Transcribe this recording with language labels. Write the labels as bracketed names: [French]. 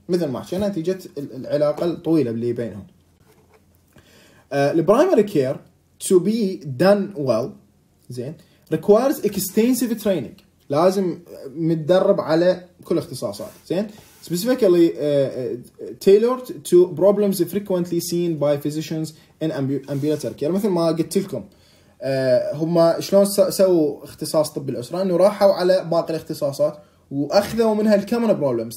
[Arabic] مثل ما حكينا نتيجة العلاقة الطويلة اللي بينهم. [English] The primary care to be done well [Arabic] زين [English] requires extensive training. [Arabic] لازم متدرب على كل اختصاصات. زين [English] specifically tailored to problems frequently seen by physicians in ambulatory care. [Arabic] مثل ما قلت لكم هم شلون سووا اختصاص طب الأسرة، انه راحوا على باقي الاختصاصات واخذوا منها الكامن بروبلمز.